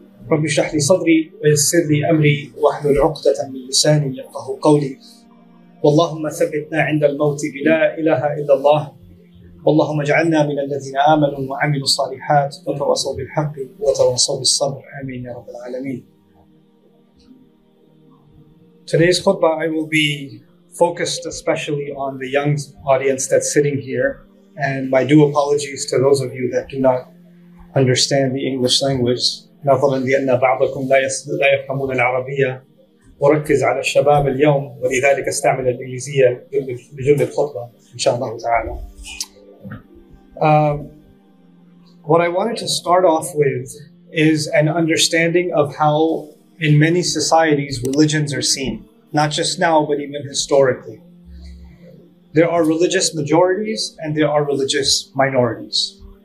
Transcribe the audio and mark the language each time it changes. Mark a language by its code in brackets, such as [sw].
[ar] رب اشرح لي صدري ويسر لي أمري واحلل عقدة من لساني يفقهوا قولي. واللهم ثبتنا عند الموت بلا إله إلا الله، واللهم اجعلنا من الذين آمنوا وعملوا الصالحات وتواصوا بالحق وتواصوا بالصبر. آمين يا رب العالمين. [en] Today's khutbah, I will be focused especially on the young audience that's sitting here. And my due apologies to those of you that do not understand the English language. [ar] نظراً لأن بعضكم لا يفهمون العربية، وركز على الشباب اليوم، ولذلك استعمل الإنجليزية لجملة الخطبة إن شاء الله تعالى. [en] What I wanted to start off with is an understanding of how in many societies religions are seen, not just now but even historically. There are religious majorities and there are religious minorities.